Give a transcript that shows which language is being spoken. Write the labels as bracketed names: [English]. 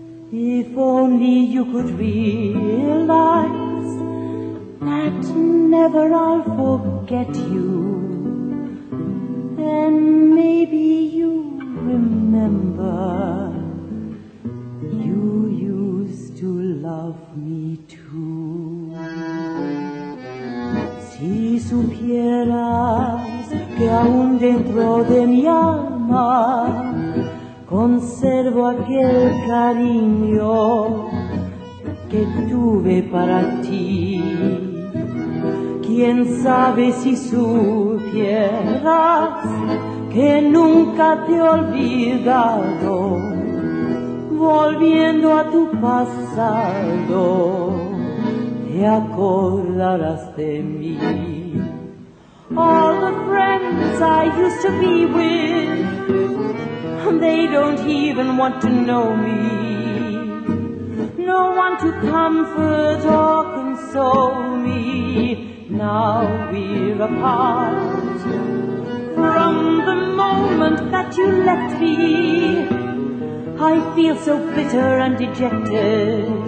[English] If only you could realize that never I'll forget you, then maybe you remember you used to love me too. [Spanish] Si supieras que aún dentro de mi alma conservo aquel cariño que tuve para ti. Quién sabe si supieras que nunca te he olvidado. Volviendo a tu pasado, te acordarás de mí. [English] All the friends I used to be with, they don't even want to know me. No one to comfort or console me. Now we're apart. From the moment that you left me, I feel so bitter and dejected.